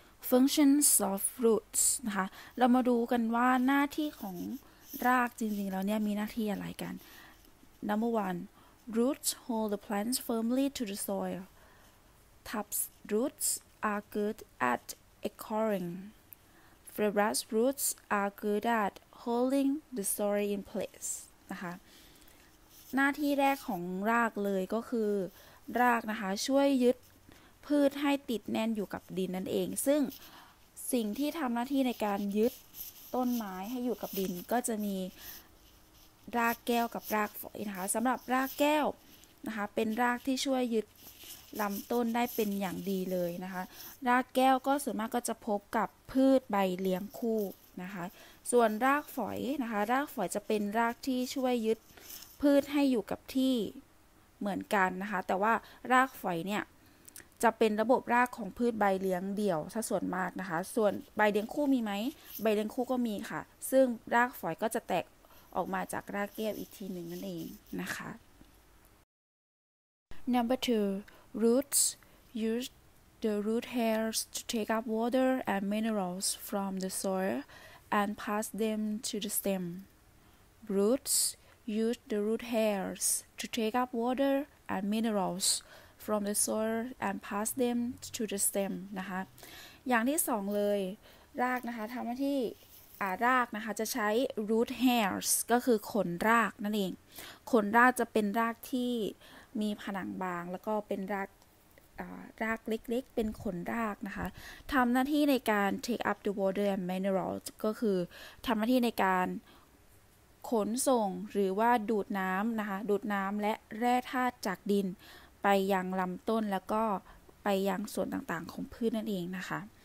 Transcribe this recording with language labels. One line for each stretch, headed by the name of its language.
English: Functions of roots
Thai: นะคะเรามาดูกันว่าหน้าที่ของรากจริงๆแล้วเนี่ยมีหน้าที่อะไรกัน
English: Number 1Roots hold the plants firmly to the soil. Tap's roots are good at anchoring. Fibrous roots are good at holding the soil in place.
Thai: นะคะหน้าที่แรกของรากเลยก็คือรากนะคะช่วยยึดพืชให้ติดแน่นอยู่กับดินนั่นเองซึ่งสิ่งที่ทำหน้าที่ในการยึดต้นไม้ให้อยู่กับดินก็จะมี รากแก้วกับรากฝอยนะคะสำหรับรากแก้วนะคะเป็นรากที่ช่วยยึดลำต้นได้เป็นอย่างดีเลยนะคะรากแก้วก็ส่วนมากก็จะพบกับพืชใบเลี้ยงคู่นะคะส่วนรากฝอยนะคะรากฝอยจะเป็นรากที่ช่วยยึดพืชให้อยู่กับที่ เหมือนกันนะคะแต่ว่ารากฝอยเนี่ยจะเป็นระบบรากของพืชใบเลี้ยงเดี่ยวซะส่วนมากนะคะส่วนใบเลี้ยงคู่มีไหมใบเลี้ยงคู่ก็มีค่ะซึ่งรากฝอยก็จะแตกออกมาจากรากแก้วอีกทีหนึ่งนั่นเองนะคะ
English: Number two roots use the root hairs to take up water and minerals from the soil and pass them to the stem. Roots use the root hairs to take up water and minerals from the soil and pass them to the stem.
Thai: นะคะอย่างที่สองเลยรากนะคะทำหน้าที่รากนะคะจะใช้
English: root hairs
Thai: ก็คือขนรากนั่นเองขนรากจะเป็นรากที่มีผนังบางแล้วก็เป็นราก รากเล็กๆ เป็นขนรากนะคะทำหน้าที่ในการ
English: take up the water and minerals
Thai: ก็คือทำหน้าที่ในการขนส่งหรือว่าดูดน้ำนะคะดูดน้ำและแร่ธาตุจากดินไปยังลำต้นแล้วก็ไปยังส่วนต่างๆของพืช นั่นเองนะคะ